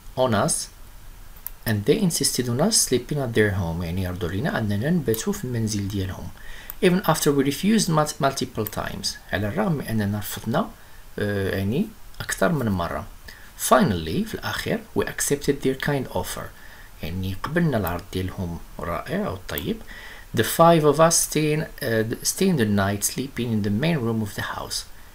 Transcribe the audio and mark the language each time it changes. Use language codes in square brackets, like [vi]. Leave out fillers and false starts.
[en] And they insisted on us sleeping at their home. [ar] يعني يرضوا لنا أننا نباتوا في المنزل ديالهم. [en] Even after we refused multiple times. [ar] على الرغم من أننا رفضنا يعني أكثر من مرة. [en] Finally, [ar] في الأخير, [en] we accepted their kind offer. [ar] يعني قبلنا العرض ديالهم رائع أو طيب. [en] The five of us staying the night sleeping in the main room of the house.